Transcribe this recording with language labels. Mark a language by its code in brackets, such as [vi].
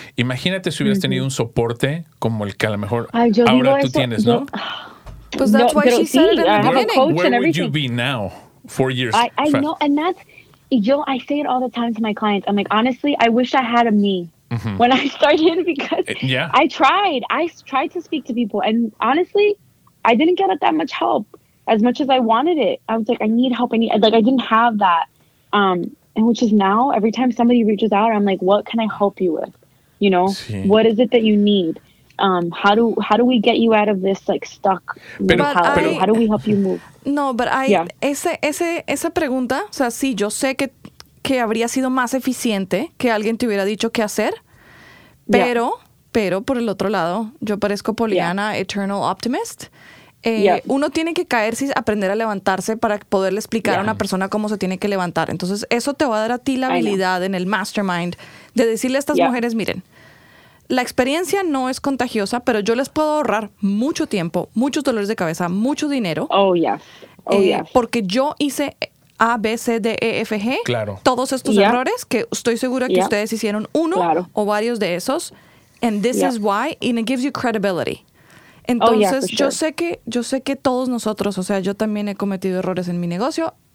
[es] Imagínate si hubieras tenido un soporte como el que a lo mejor ahora tú tienes, ¿no? [en] Pues that's why she said it in the beginning. Where would you be now? 4 years. I know, and that's, I say it all the time to my clients. I'm like, honestly, I wish I had a me when I started because I tried. I tried to speak to people, and honestly, I didn't get that much help as much as I wanted it. I was like, I need help. I didn't have that. And which is now, every time somebody reaches out, I'm like, what can I help you with? You know, what is it that you need? How do we get you out of this like stuck? How do we help you move? [es] No, pero esa pregunta, o sea, sí, yo sé que habría sido más eficiente que alguien te hubiera dicho qué hacer, pero por el otro lado, yo parezco Poliana, [en] eternal optimist. [es] Uno tiene que caerse y aprender a levantarse para poderle explicar a una persona cómo se tiene que levantar. Entonces, eso te va a dar a ti la habilidad en el mastermind de decirle a estas mujeres, miren, la experiencia no es contagiosa, pero yo les puedo ahorrar mucho tiempo, muchos dolores de cabeza, mucho dinero. Porque yo hice A, B, C, D, E, F, G. Claro. Todos estos errores que estoy segura que ustedes hicieron uno o varios de esos. [en] And this is why, and it gives you credibility. [es] Entonces, yo sé que todos nosotros, o sea, yo también he cometido errores en mi negocio.